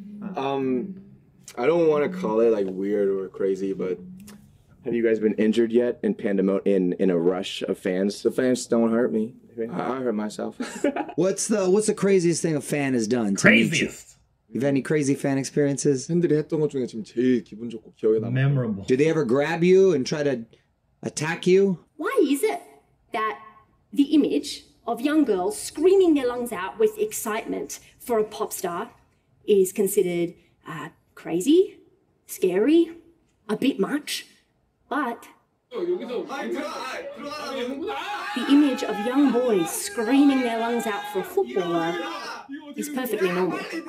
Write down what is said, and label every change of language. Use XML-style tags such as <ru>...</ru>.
<en>I don't want to call it, like, weird or crazy, but... Have you guys been injured yet in in a rush of fans? The fans don't hurt me. I hurt myself. What's the craziest thing a fan has done to craziest. Meet you? You have any crazy fan experiences?</en> <ko>Fans들이 했던 것 중에 지금 제일 기분 좋고 기억에 남아요.</ko> <en>Memorable. Do they ever grab you and try to attack you? Why is it that the image of young girls screaming their lungs out with excitement for a pop star is considered crazy, scary, a bit much, but the image of young boys screaming their lungs out for a footballer is perfectly normal.</en>